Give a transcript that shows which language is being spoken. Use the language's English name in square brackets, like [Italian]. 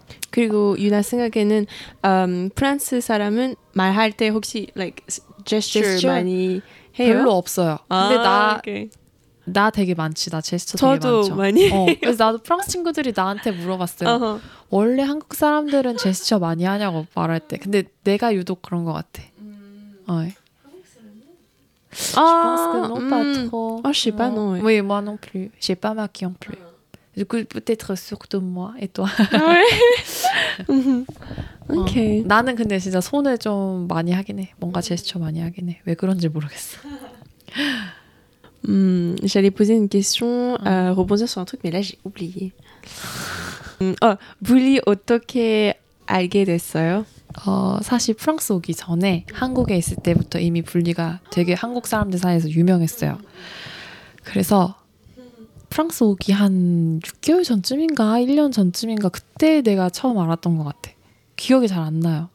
[Korean] 그리고 유나 생각에는 프랑스 사람은 말할 때 혹시 [English] like gesture [Korean] 많이 해요? 별로 없어요. 근데 나 [English] okay. [Korean] 나 되게 많지. 나 제스처 되게 많죠. 저도 많이. 어. 그래서 나도 프랑스 친구들이 나한테 물어봤어요. 원래 한국 사람들은 제스처 많이 하냐고 말할 때. 근데 내가 유독 그런 것 같아. [French] J'allais poser une question, rebondir sur un truc, mais là j'ai oublié. [Korean] Oh, 불이 어떻게 알게 됐어요? 어 사실 프랑스 오기 전에 한국에 있을 때부터 이미 분리가 되게 한국 사람들 사이에서 유명했어요. 그래서 프랑스 오기 한 6개월 전쯤인가 1년 전쯤인가 그때 내가 처음 알았던 것 같아. 기억이 잘 안 나요.